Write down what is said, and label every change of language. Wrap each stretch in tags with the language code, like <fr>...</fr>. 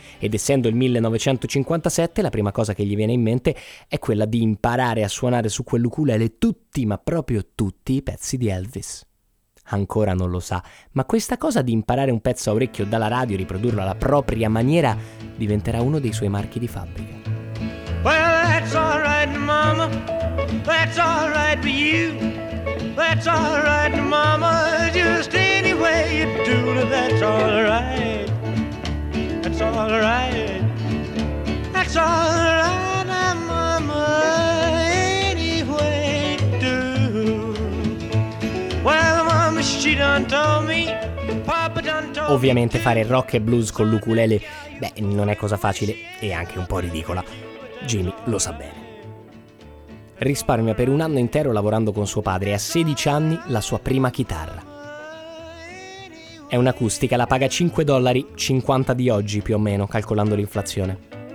<it>Ed essendo il 1957, la prima cosa che gli viene in mente è quella di imparare a suonare su quell'ukulele tutti, ma proprio tutti, i pezzi di Elvis. Ancora non lo sa, ma questa cosa di imparare un pezzo a orecchio dalla radio e riprodurlo alla propria maniera diventerà uno dei suoi marchi di fabbrica.</it> <en>Well, that's all right, mama. That's all right for you. That's all right, mama, just any way you do, that's all right, that's all right, that's all right, mama, any way you do. Well, mama, she done told me, papa done told me.</en> <it>Ovviamente fare rock e blues con l'ukulele, beh, non è cosa facile e anche un po' ridicola. Jimmy lo sa bene. Risparmia per un anno intero lavorando con suo padre e a 16 anni la sua prima chitarra. È un'acustica, la paga $5, 50 di oggi più o meno, calcolando l'inflazione.</it>